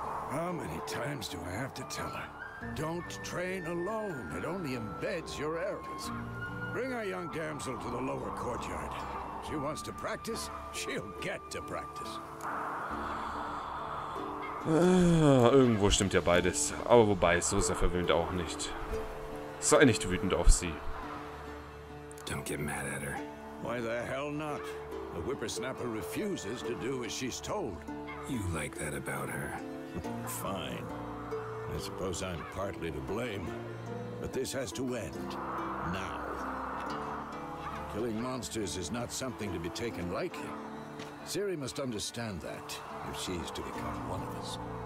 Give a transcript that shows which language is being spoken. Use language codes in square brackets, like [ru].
[en] How many times do I have to tell her? Don't train alone. It only embeds your errors. Bring our young damsel to the lower courtyard. She wants to practice, she'll get to practice. [de] Irgendwo stimmt ja beides. Aber wobei, so sehr verwöhnt auch nicht. Sei nicht wütend auf sie. [en] Don't get mad at her. Why the hell not? The whippersnapper refuses to do as she's told. You like that about her. Fine. I suppose I'm partly to blame. But this has to end. Now. Killing monsters is not something to be taken lightly. Ciri must understand that, if she's to become one of us.